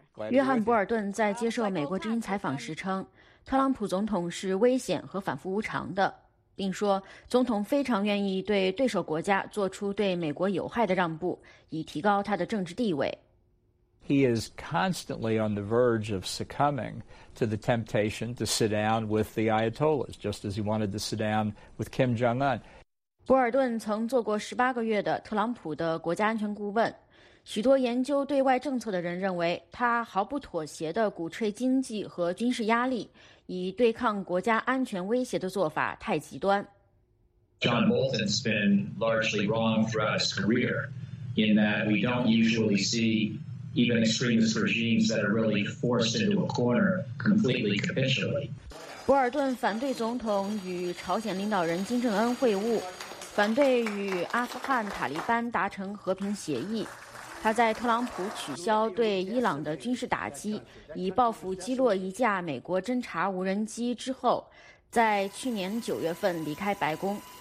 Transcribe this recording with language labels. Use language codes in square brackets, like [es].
[zh] 约翰·博尔顿在接受美国之音采访时称，特朗普总统是危险和反复无常的，并说总统非常愿意对对手国家做出对美国有害的让步，以提高他的政治地位。 [en] He is constantly on the verge of succumbing to the temptation to sit down with the Ayatollahs, just as he wanted to sit down with Kim Jong-un. [zh] 博尔顿曾做过18个月的特朗普的国家安全顾问。许多研究对外政策的人认为，他毫不妥协地鼓吹经济和军事压力，以对抗国家安全威胁的做法太极端。 [en] John Bolton's been largely wrong throughout his career in that we don't usually see. Even extremist regimes that are really forced into a corner completely capitulate. [zh] 博尔顿反对总统与朝鲜领导人金正恩会晤，反对与阿富汗塔利班达成和平协议。他在特朗普取消对伊朗的军事打击，以报复击落一架美国侦察无人机之后，在去年9月份离开白宫。